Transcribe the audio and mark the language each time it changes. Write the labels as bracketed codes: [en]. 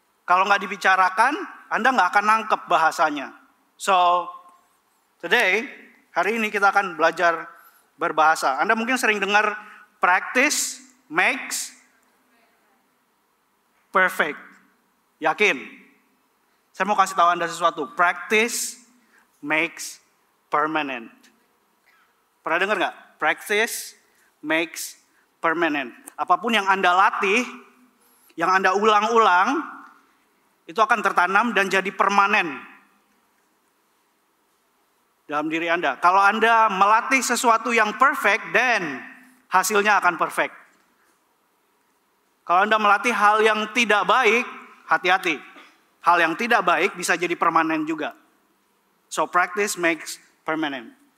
[id] Kalau gak dibicarakan, Anda gak akan nangkep bahasanya. [en] So, today, [id] hari ini kita akan belajar berbahasa. Anda mungkin sering dengar [en] practice makes perfect. [id] Yakin? Saya mau kasih tahu Anda sesuatu. [en] Practice makes permanent. [id] Pernah dengar gak? [en] Practice makes permanent. [id] Apapun yang Anda latih, yang Anda ulang-ulang, itu akan tertanam dan jadi permanen dalam diri Anda. Kalau Anda melatih sesuatu yang perfect, then hasilnya akan perfect. Kalau Anda melatih hal yang tidak baik, hati-hati. Hal yang tidak baik bisa jadi permanen juga. [en] So practice makes permanent.